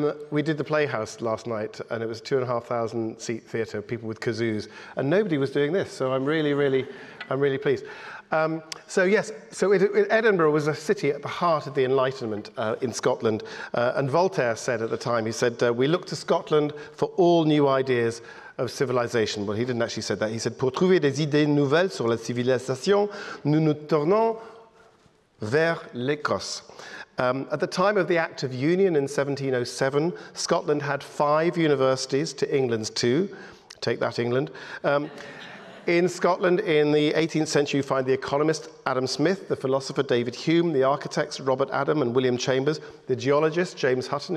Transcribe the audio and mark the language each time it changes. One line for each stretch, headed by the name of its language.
English: We did the Playhouse last night, and it was 2,500 seat theatre, people with kazoos. And nobody was doing this. So I'm really pleased. Edinburgh was a city at the heart of the Enlightenment in Scotland. And Voltaire said at the time, he said, we look to Scotland for all new ideas of civilization. Well, he didn't actually say that. He said,
French: pour trouver des idées nouvelles sur la civilisation, nous nous tournons vers l'Écosse.
English: At the time of the Act of Union in 1707, Scotland had 5 universities to England's 2. Take that, England. In Scotland, in the 18th century, you find the economist Adam Smith, the philosopher David Hume, the architects Robert Adam and William Chambers, the geologist James Hutton.